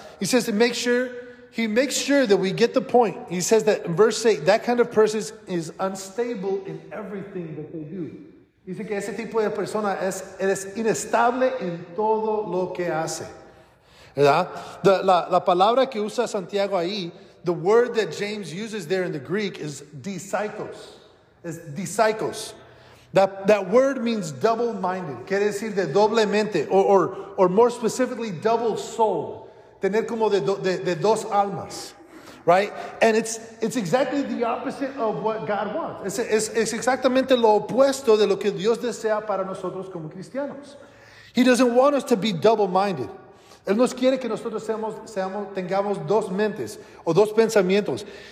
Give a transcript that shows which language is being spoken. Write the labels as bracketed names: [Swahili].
[English] He says to make sure, he makes sure that we get the point. He says that in verse 8, that kind of person is unstable in everything that they do. [Spanish] Dice que ese tipo de persona es inestable en todo lo que hace. ¿Verdad? La palabra que usa Santiago ahí, [English] the word that James uses there in the Greek is disciples. It's disciples. That word means double-minded. [Spanish] Quiere decir de doble mente, [English] or more specifically, double-souled. [Spanish] Tener como de dos almas, right? [English] And it's exactly the opposite of what God wants. [Spanish] Es exactamente lo opuesto de lo que Dios desea para nosotros como cristianos. [English] He doesn't want us to be double-minded. [Spanish] Él nos quiere que nosotros tengamos dos mentes o dos pensamientos.